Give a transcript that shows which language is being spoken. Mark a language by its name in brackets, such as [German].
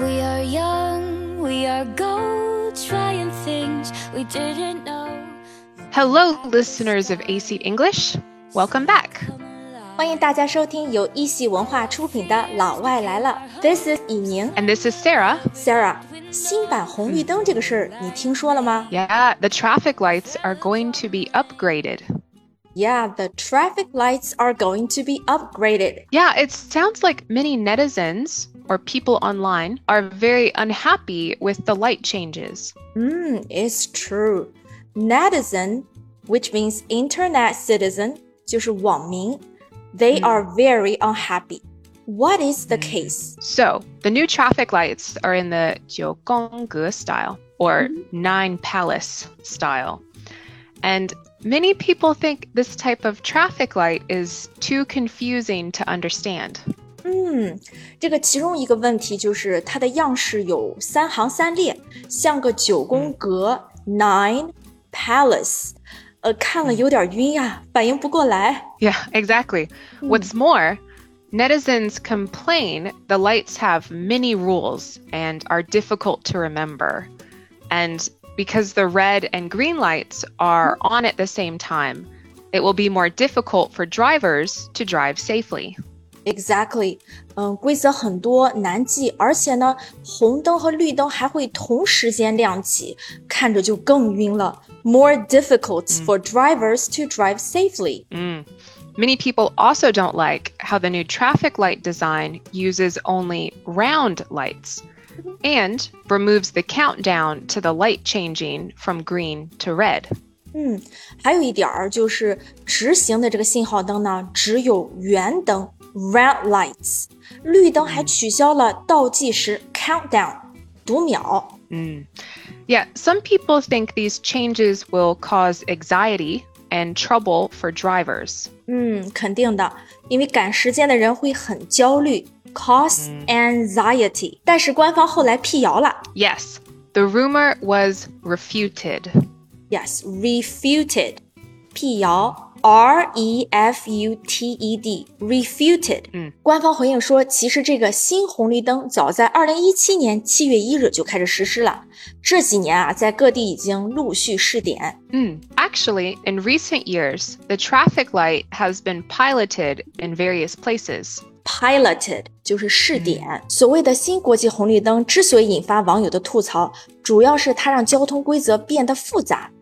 [English] our goals, trying things we didn't know. Hello, listeners of AC English. Welcome back. [Chinese] 欢迎大家收听由一席文化出品的《老外来了》。 [English] This is 以宁。 And this is Sarah. Sarah. [Chinese] 新版红绿灯这个事儿你听说了吗 [English] Yeah, the traffic lights are going to be upgraded. Yeah, the traffic lights are going to be upgraded. Yeah, it sounds like many netizens, or people online, are very unhappy with the light changes. It's true. Netizen, which means internet citizen, [Chinese] 就是网民 [English] they are very unhappy. What is the case? So, the new traffic lights are in the 九宫格 style, or Nine Palace style. And many people think this type of traffic light is too confusing to understand. [Chinese] 这个其中一个问题就是它的样式有三行三列,像个九宫格 Nine Palace. 看了有点晕呀,反应不过来。 [English] Yeah, exactly. What's more... Netizens complain the lights have many rules and are difficult to remember. And because the red and green lights are on at the same time, it will be more difficult for drivers to drive safely. Exactly. [Chinese] 规则很多难记而且呢红灯和绿灯还会同时间亮起看着就更晕了。 [English] More difficult for drivers to drive safely. Many people also don't like how the new traffic light design uses only round lights and removes the countdown to the light changing from green to red. [Chinese] 还有一点儿就是直行的这个信号灯呢只有圆灯 round lights. 绿灯还取消了倒计时 countdown, 读秒。 [English] Yeah, some people think these changes will cause anxiety. And trouble for drivers. [Chinese] 肯定的，因为赶时间的人会很焦虑 [English] cause anxiety. [Chinese] 但是官方后来辟谣了。 [English] Yes, the rumor was refuted. Yes, refuted. 辟谣 R-E-F-U-T-E-D, refuted. [Chinese] 官方回应说，其实这个新红绿灯早在2017年7月1日就开始实施了，这几年啊，在各地已经陆续试点。 [English] Actually, in recent years, the traffic light has been piloted in various places. [Chinese] Piloted 就是试点。所谓的新国际红绿灯之所以引发网友的吐槽，主要是它让交通规则变得复杂。